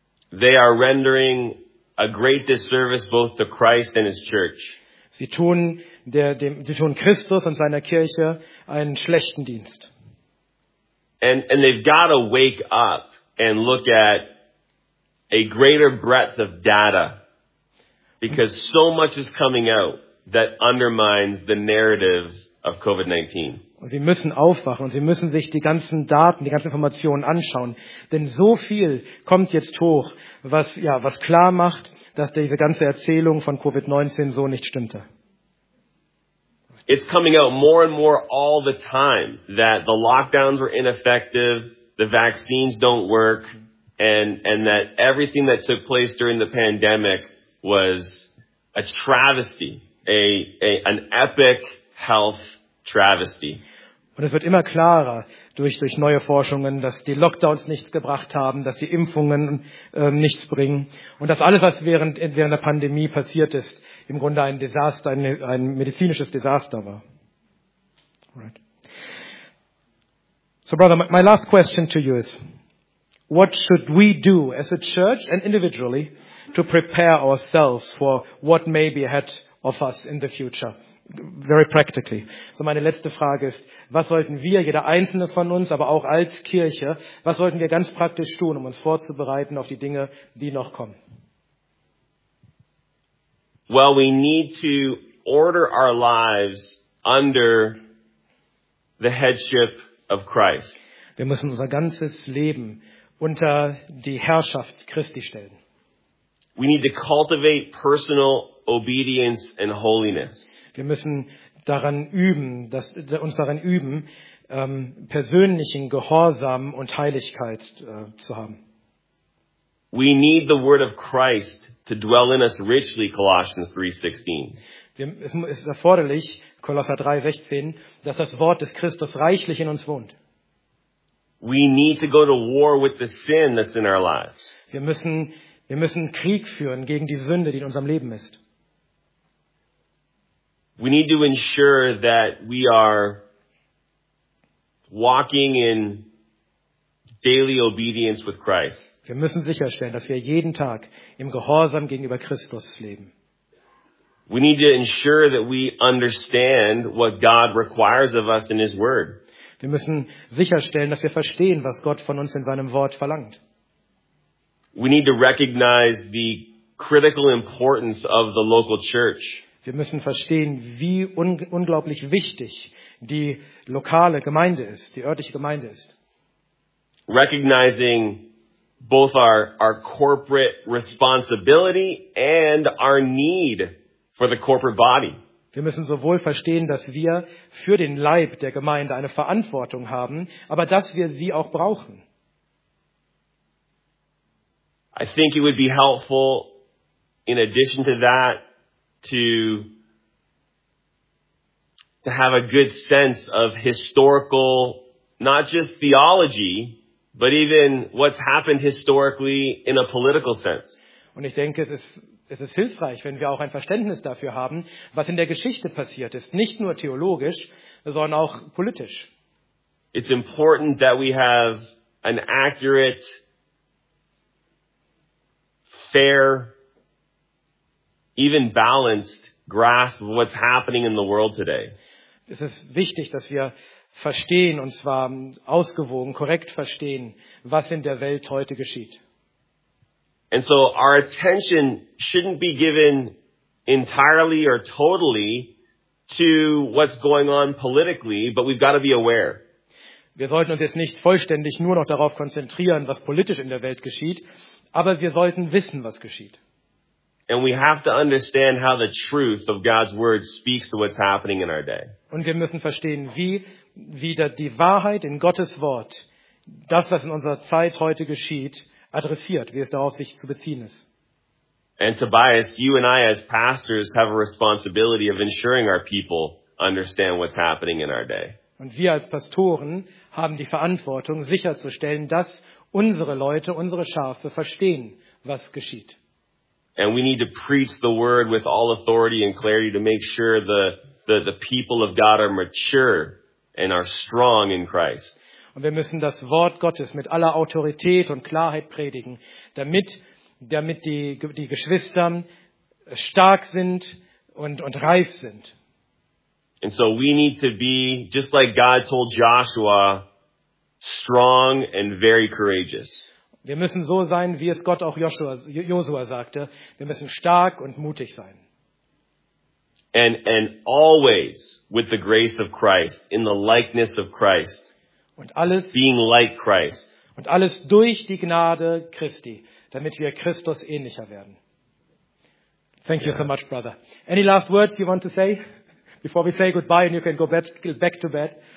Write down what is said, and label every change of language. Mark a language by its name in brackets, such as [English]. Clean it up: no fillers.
[English] They are rendering a great disservice both to Christ and his church. [German] Sie tun Christus und seiner Kirche einen schlechten Dienst. [English] And they've got to wake up and look at a greater breadth of data, because so much is coming out that undermines the narrative of COVID-19. [German] Und sie müssen aufwachen und sie müssen sich die ganzen Daten, die ganzen Informationen anschauen. Denn so viel kommt jetzt hoch, was, ja, was klar macht, dass diese ganze Erzählung von COVID-19 so nicht stimmte. [English] It's coming out more and more all the time that the lockdowns were ineffective, the vaccines don't work, and that everything that took place during the pandemic was a travesty, an epic health travesty. [German] Und es wird immer klarer durch neue Forschungen, dass die Lockdowns nichts gebracht haben, dass die Impfungen nichts bringen und dass alles, was während der Pandemie passiert ist, im Grunde ein Desaster, ein medizinisches Desaster war. [English] Right. So, brother, my last question to you is, what should we do as a church and individually to prepare ourselves for what may be ahead of us in the future? Very practically. [German] So meine letzte Frage ist, was sollten wir, jeder Einzelne von uns, aber auch als Kirche, was sollten wir ganz praktisch tun, um uns vorzubereiten auf die Dinge, die noch kommen? [English] Well, we need to order our lives under the headship of Christ. [German] Wir müssen unser ganzes Leben unter die Herrschaft Christi stellen. [English] We need to cultivate personal obedience and holiness. [German] Wir müssen daran üben, dass uns daran üben, persönlichen Gehorsam und Heiligkeit zu haben. [English] We need the word of Christ to dwell in us richly, Colossians 3:16. [German] Es ist erforderlich, Kolosser 3:16, dass das Wort des Christus reichlich in uns wohnt. [English] We need to go to war with the sin that's in our lives. [German] Wir müssen Krieg führen gegen die Sünde, die in unserem Leben ist. [English] We need to ensure that we are walking in daily obedience with Christ. [German] Wir müssen sicherstellen, dass wir jeden Tag im Gehorsam gegenüber Christus leben. [English] We need to ensure that we understand what God requires of us in His Word. [German] Wir müssen sicherstellen, dass wir verstehen, was Gott von uns in seinem Wort verlangt. [English] We need to recognize the critical importance of the local church. [German] Wir müssen verstehen, wie unglaublich wichtig die lokale Gemeinde ist, die örtliche Gemeinde ist. [English] Recognizing both our corporate responsibility and our need for the corporate body. [German] Wir müssen sowohl verstehen, dass wir für den Leib der Gemeinde eine Verantwortung haben, aber dass wir sie auch brauchen. [English] I think it would be helpful in addition to that to have a good sense of historical, not just theology, but even what's happened historically in a political sense. [German] Und ich denke, es ist hilfreich, wenn wir auch ein Verständnis dafür haben, was in der Geschichte passiert ist, nicht nur theologisch, sondern auch politisch. [English] It's important that we have an accurate, fair, even balanced grasp of what's happening in the world today. [German] Es ist wichtig, dass wir verstehen, und zwar ausgewogen, korrekt verstehen, was in der Welt heute geschieht. [English] And so our attention shouldn't be given entirely or totally to what's going on politically, but we've got to be aware. [German] Wir sollten uns jetzt nicht vollständig nur noch darauf konzentrieren, was politisch in der Welt geschieht, aber wir sollten wissen, was geschieht. [English] And we have to understand how the truth of God's word speaks to what's happening in our day. [German] Und wir müssen verstehen, wie die Wahrheit in Gottes Wort das, was in unserer Zeit heute geschieht, adressiert, wie es darauf sich zu beziehen ist. [English] And Tobias, you and I as pastors have a responsibility of ensuring our people understand what's happening in our day. [German] Und wir als Pastoren haben die Verantwortung, sicherzustellen, dass unsere Leute, unsere Schafe verstehen, was geschieht. [English] And we need to preach the word with all authority and clarity to make sure the people of God are mature and are strong in Christ. [German] Und wir müssen das Wort Gottes mit aller Autorität und Klarheit predigen, damit die Geschwister stark sind und reif sind. [English] And so we need to be just like God told Joshua strong and very courageous. [German] Wir müssen so sein, wie es Gott auch Josua sagte. Wir müssen stark und mutig sein. [English] And always with the grace of Christ, in the likeness of Christ. [German] Und alles, [English] being like Christ. [German] Und alles durch die Gnade Christi, damit wir Christus ähnlicher werden. [English] Thank you so much, brother. Any last words you want to say before we say goodbye and you can go back to bed?